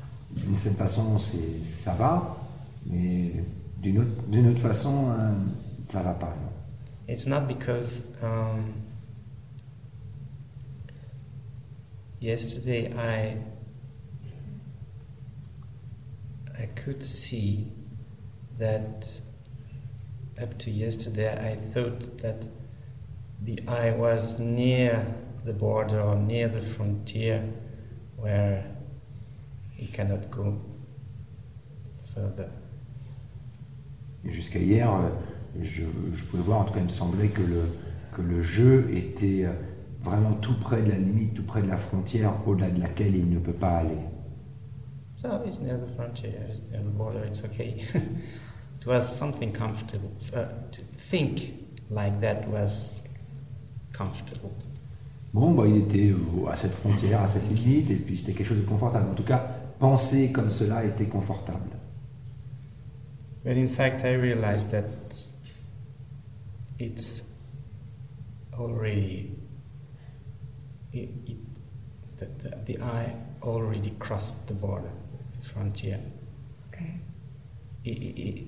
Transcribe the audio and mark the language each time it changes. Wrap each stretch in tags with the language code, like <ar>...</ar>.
<fr>D'une certaine façon, c'est, ça va, mais d'une autre façon, ça va pas. Non.</fr> <en>It's not because yesterday I could see that up to yesterday I thought that the eye was near the border or near the frontier where he cannot go further.</en> <fr>Et jusqu'à hier, je pouvais voir, en tout cas, il me semblait que le jeu était vraiment tout près de la limite, tout près de la frontière, au-delà de laquelle il ne peut pas aller.</fr> <en>So it's near the frontier, it's near the border, it's okay. It was something comfortable. So, to think like that was comfortable.</en> <fr>Bon, bah, il était à cette frontière, à cette limite, et puis c'était quelque chose de confortable. En tout cas, penser comme cela était confortable.</fr> <en>But in fact, I realized that it's already the eye already crossed the border, the frontier. Okay.</en>